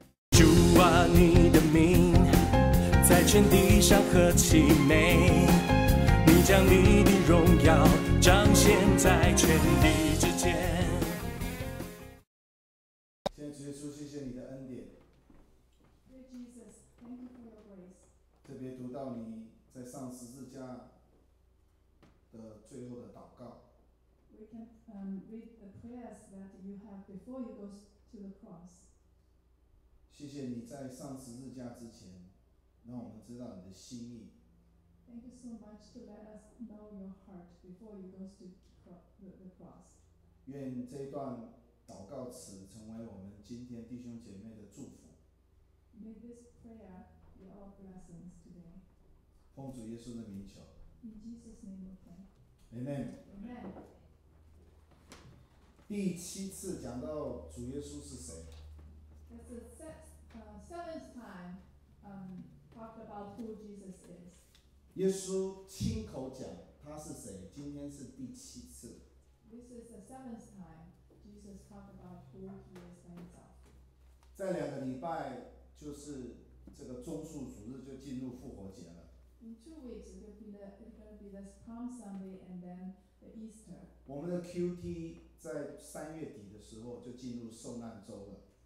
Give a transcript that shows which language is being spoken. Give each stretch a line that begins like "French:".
Chinese: 主啊，你的名在全地上何其美，你将你的荣耀彰显在全地之间。先直接说谢谢你的恩典。
English: Dear Jesus, thank you for your grace.
Chinese: 特别读到你在上十字架的最后的祷告。
English: We can read the prayers that you have before you go to the cross.
Chinese: 谢谢你在上十字架之前，让我们知道你的心意。
English: Thank you so much to let us know your heart before you go to the cross.
Chinese: 愿这一段祷告词成为我们今天弟兄姐妹的祝福。
English: May this prayer be our blessings today.
Chinese: 奉主耶稣的名求。
English: In Jesus' name we pray. Amen. Amen.
Chinese: 第七次讲到主耶稣是谁。
English: That's the seventh time talked about who Jesus is.
Chinese: 耶稣亲口讲他是谁，今天是第七次。
English: This is the seventh time. Jesus talked about who he is himself.
Chinese: 在两个礼拜就是这个中束主日就进入复活节了。
English: In 2 weeks, it's going to be the Palm Sunday and then the Easter.
Chinese: 我们的 QT 在三月底的时候就进入受难周了。